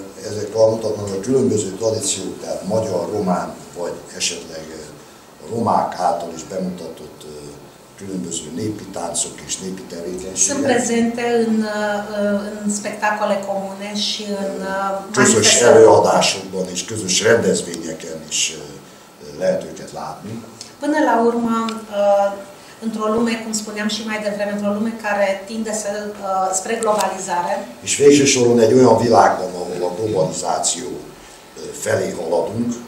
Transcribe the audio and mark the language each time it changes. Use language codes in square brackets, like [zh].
[hu] Ezek mutatnak a különböző tradíciók, tehát magyar, román, vagy esetleg romák által is bemutatott különböző népi táncok és népi tevékenységek. [ro] Sunt prezente în spectacole comune și în [hu] közös előadásokban és közös rendezvényeken is lehet őket látni. [ro] Până la urmă, într-o lume, cum spuneam și mai devreme, într-o lume care tinde să spre globalizare. [hu] És végül sorul egy olyan világban, ahol a globalizáció felé haladunk.